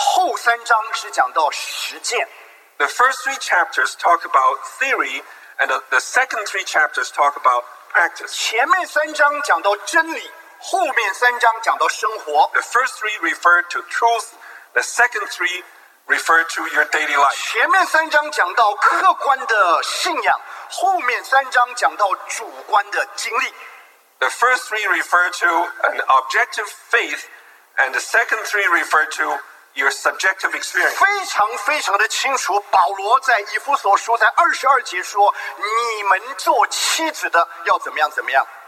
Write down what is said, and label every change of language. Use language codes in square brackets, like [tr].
[zh] 前三章是讲到理论，后三章是讲到实践。 [en] The first three chapters talk about theory, and the second three chapters talk about practice. [zh] 前面三章讲到真理。 [en] The first three refer to truth, the second three refer to your daily life. [zh] 前面三章讲到客观的信仰, 后面三章讲到主观的经历。 [en] The first three refer to an objective faith, and the second three refer to your subjective experience. [zh] 非常非常的清楚, 保罗在以弗所书在22节说, 你们做妻子的要怎么样怎么样。